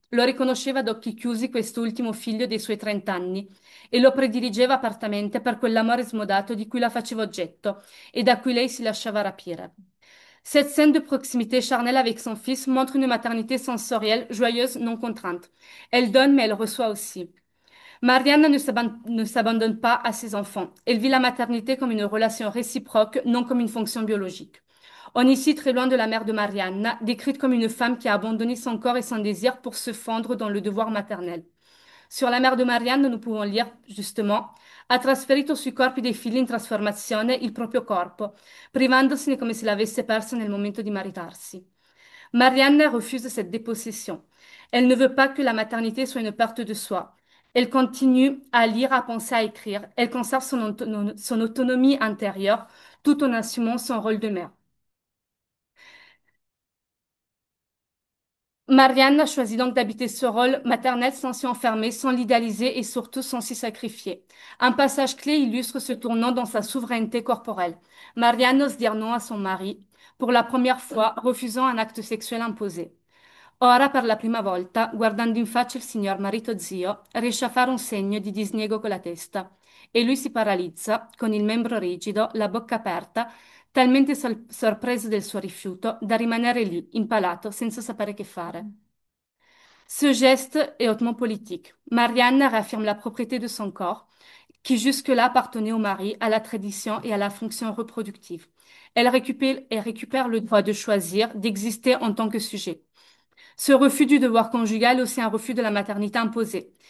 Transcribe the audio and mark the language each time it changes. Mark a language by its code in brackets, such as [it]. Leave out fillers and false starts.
[it] Lo riconosceva ad occhi chiusi quest'ultimo figlio dei suoi 30 anni e lo prediligeva apertamente per quell'amore smodato di cui la faceva oggetto e da cui lei si lasciava rapire. [fr] Cette scène de proximité charnelle avec son fils montre une maternité sensorielle, joyeuse, non contrainte. Elle donne, mais elle reçoit aussi. Marianne ne s'abandonne pas à ses enfants. Elle vit la maternité comme une relation réciproque, non comme une fonction biologique. On est ici très loin de la mère de Marianne, décrite comme une femme qui a abandonné son corps et son désir pour se fondre dans le devoir maternel. Sur la mère de Marianne, nous pouvons lire justement: [it] Ha trasferito sui corpi dei figli in trasformazione il proprio corpo, privandosene come se l'avesse perso nel momento di maritarsi. [fr] Marianne refuse cette dépossession. Elle ne veut pas que la maternité soit une perte de soi. Elle continue à lire, à penser, à écrire. Elle conserve son autonomie intérieure tout en assumant son rôle de mère. Marianne a choisi donc d'habiter ce rôle maternel sans s'y enfermer, sans l'idéaliser et surtout sans s'y sacrifier. Un passage clé illustre ce tournant dans sa souveraineté corporelle. Marianne ose dire non à son mari, pour la première fois, refusant un acte sexuel imposé. [it] Ora, per la prima volta, guardando in faccia il signor marito zio, riesce a fare un segno di disniego con la testa e lui si paralizza, con il membro rigido, la bocca aperta, talmente sorpreso del suo rifiuto da rimanere lì, impalato, senza sapere che fare. [fr] Ce geste est hautement politique. Marianne réaffirme la propriété de son corps, qui jusque-là appartenait au mari, à la tradition et à la fonction reproductive. Elle récupère le droit de choisir, d'exister en tant que sujet. Ce refus du devoir conjugal est aussi un refus de la maternité imposée.